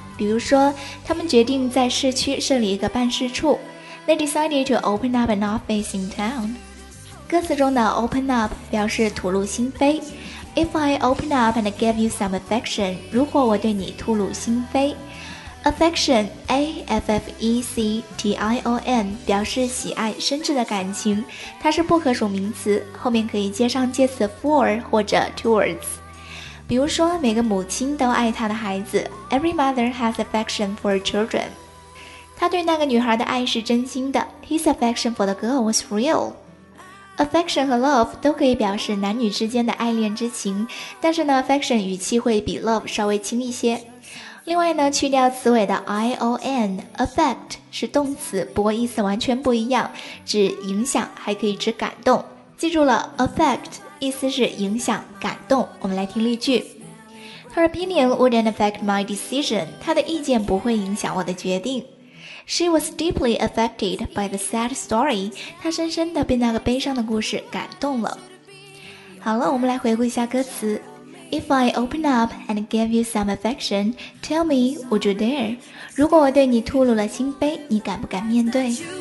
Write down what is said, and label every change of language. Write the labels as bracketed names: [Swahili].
[Chinese] 比如说，他们决定在市区设立一个办事处。 [English] They decided to open up an office in town. [Chinese] 歌词中的 open up 表示吐露心扉。 [English] If I open up and give you some affection, [Chinese] 如果我对你吐露心扉。 Affection, A-F-F-E-C-T-I-O-N, 表示喜爱、深挚的感情。它是不可数名词，后面可以接上介词 for 或者 towards。比如说，每个母亲都爱她的孩子。 [English] Every mother has affection for children. [Chinese] 他对那个女孩的爱是真心的。 [English] His affection for the girl was real. [Chinese] Affection 和 love 都可以表示男女之间的爱恋之情，但是呢 ，affection 语气会比 love 稍微轻一些。另外呢，去掉词尾的 ion affect 是动词，不过意思完全不一样，指影响，还可以指感动。记住了 ，affect 意思是影响、感动。我们来听例句 ： [English] Her opinion wouldn't affect my decision. [Chinese] 她的意见不会影响我的决定。 [English] She was deeply affected by the sad story. [Chinese] 她深深地被那个悲伤的故事感动了。好了，我们来回顾一下歌词。 [English] If I open up and give you some affection, tell me, would you dare? [Chinese] 如果我对你吐露了心扉，你敢不敢面对？